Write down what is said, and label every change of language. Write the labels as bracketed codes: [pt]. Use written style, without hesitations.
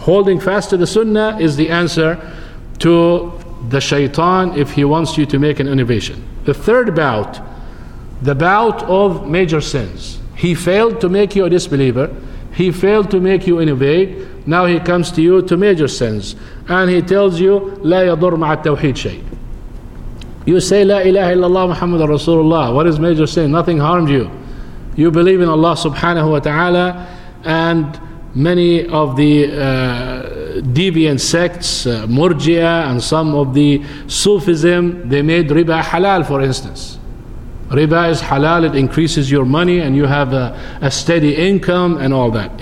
[en] Holding fast to the sunnah is the answer to the shaitan if he wants you to make an innovation. The third bout, the bout of major sins. He failed to make you a disbeliever. He failed to make you innovate. Now he comes to you to major sins. And he tells you, [ar] لا يضر مع التوحيد شيء. [en] You say, [ar] لا إله إلا الله محمد رسول الله. [en] What is major sin? Nothing harmed you. You believe in Allah subhanahu wa ta'ala. And many of the deviant sects, Murji'ah, and some of the Sufism, they made riba halal, for instance. Riba is halal, it increases your money and you have a steady income and all that.